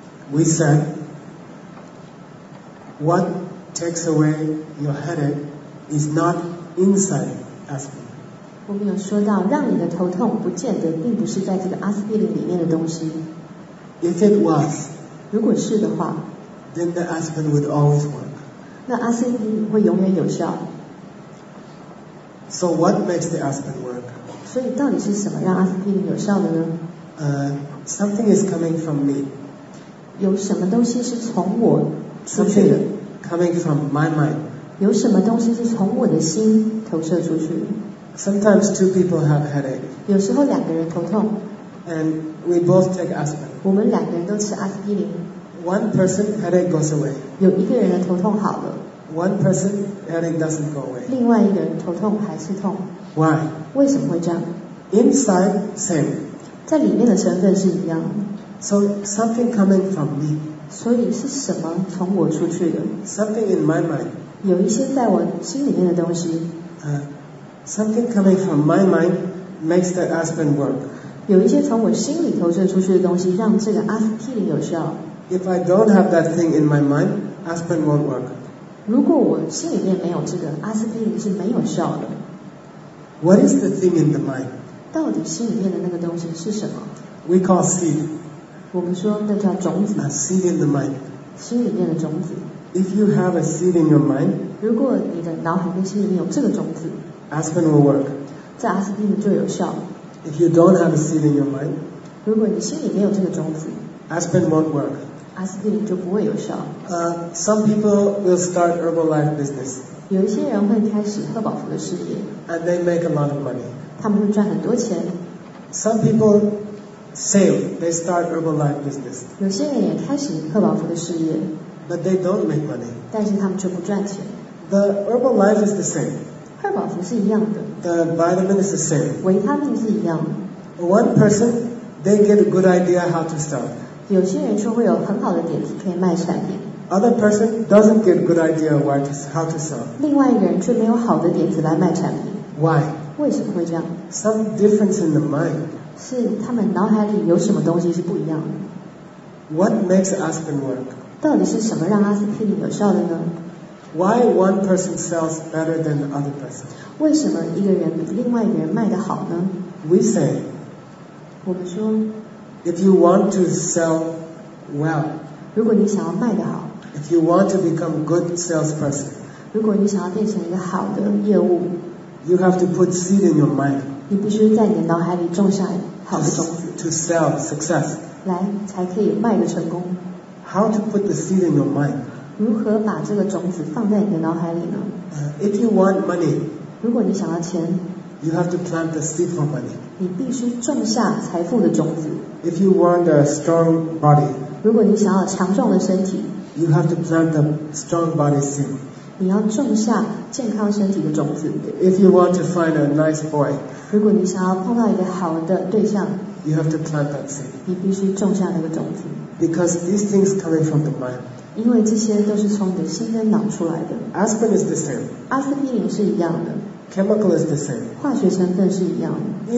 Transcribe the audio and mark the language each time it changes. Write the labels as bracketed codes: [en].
[en] We said, what takes away your headache is not. Inside aspirin. [zh] 我们有说到，让你的头痛不见得并不是在这个阿司匹林里面的东西。 [en] If it was, [zh] 如果是的话 [en] ，then the aspirin would always work. [zh] 那阿司匹林会永远有效。 [en] So what makes the aspirin work? [zh] 所以到底是什么让阿司匹林有效的呢 [en] ？Something is coming from me. [zh] 有什么东西是从我 [en] ？Something coming from my mind. [zh] 有什么东西是从我的心投射出去 [en] ？Sometimes two people have headache. [zh] 有时候两个人头痛。 [en] And we both take aspirin. [zh] 我们两个人都吃阿司匹林。 [en] One person headache goes away. [zh] 有一个人的头痛好了。 [en] One person headache doesn't go away. [zh] 另外一个人头痛还是痛。 [en] Why? [zh] 为什么会这样 [en] ？Inside same. [zh] 在里面的成分是一样。 [en] So something coming from me. [zh] 所以是什么从我出去的 [en] ？Something in my mind. [zh] 有一些在我心里面的东西。 [en] Something coming from my mind makes the aspirin work. [zh] 有一些从我心里投射出去的东西，让这个阿司匹林有效。 [en] If I don't have that thing in my mind, aspirin won't work. [zh] 如果我心里面没有这个，阿司匹林是没有效的。 [en] What is the thing in the mind? [zh] 到底心里面的那个东西是什么 [en] ？We call seed. [zh] 我们说那叫种子。 [en] A seed in the mind. [zh] 心里面的种子。 [en] If you have a seed in your mind, [zh] 如果你的脑海跟心里面有这个种子 [en] ，aspirin will work. [zh] 这阿司匹林就有效。 [en] If you don't have a seed in your mind, [zh] 如果你心里没有这个种子， [en] Aspirin won't work. [zh] Aspirin 就不会有效。 [en] Some people will start Herbalife business. [zh] 有一些人会开始赫宝福的事业。 [en] And they make a lot of money. [zh] 他们会赚很多钱。 [en] Some people save. They start Herbalife business. [zh] 有些人也开始赫宝福的事业。 [en] But they don't make money. [zh] 但是他们却不赚钱。 [en] The Herbalife is the same. [zh] 赫宝福是一样的。 [en] The vitamin is the same. [zh] 维他命是一样的。 [en] One person, they get a good idea how to start. [zh] 有些人就会有很好的点子可以卖产品。 [en] Other person doesn't get a good idea how to sell. [zh] 另外一个人却没有好的点子来卖产品。 [en] Why? [zh] 为什么会这样？ [en] Some difference in the mind. [zh] 是他们脑海里有什么东西是不一样的。 [en] What makes aspirin work? [zh] 到底是什么让阿司匹林有效的呢？ [en] Why one person sells better than the other person? [zh] 为什么一个人比另外一个人卖得好呢？ [en] We say, [zh] 我们说， [en] if you want to sell well, [zh] 如果你想要卖得好， [en] if you want to become a good salesperson, [zh] 如果你想要变成一个好的业务， [en] you have to put seed in your mind, [zh] 你必须在你的脑海里种下好的种子， [en] to sell success, [zh] 来才可以卖得成功。 [en] How to put the seed in your mind? [zh] 如何把这个种子放在你的脑海里呢？ [en] If you want money, [zh] 如果你想要钱， [en] You have to plant the seed for money. [zh] 你必须种下财富的种子。 [en] If you want a strong body, [zh] 如果你想要强壮的身体， [en] you have to plant a strong body seed. [zh] 你要种下健康身体的种子。 [en] If you want to find a nice boy, [zh] 如果你想要碰到一个好的对象， [en] you have to plant that seed. [zh] 你必须种下那个种子。 [en] Because these things coming from the mind. [zh] 因为这些都是从你的心跟脑出来的。 [en] Aspirin is the same. [zh] 阿司匹林是一样的。 [en] Chemical is the same. [zh] 化学成分是一样的。